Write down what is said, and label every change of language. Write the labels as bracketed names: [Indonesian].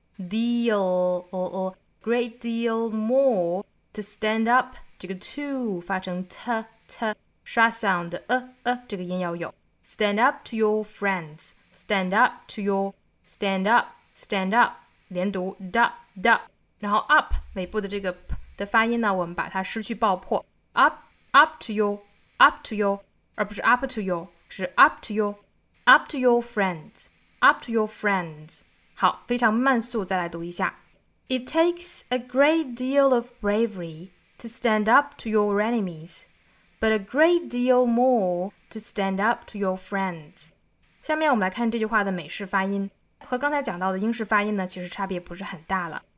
[Chinese] deal 哦哦， great deal more to stand up 这个 to 发成 t t 刷 sound 这个音要有。 [English] Stand up to your friends. Stand up to your. Stand up. Stand up. [Chinese] 连读 da da. 然后 up 尾部的这个 p 的发音呢，我们把它失去爆破。 [English] Up up to your up to your，而不是 up to your，是 up to your up to your friends up to your friends。 [Chinese] 好，非常慢速，再来读一下。 [English] It takes a great deal of bravery to stand up to your enemies, but a great deal more. To stand up to your friends。 [Chinese] 下面我们来看这句话的美式发音，和刚才讲到的英式发音呢，其实差别不是很大了。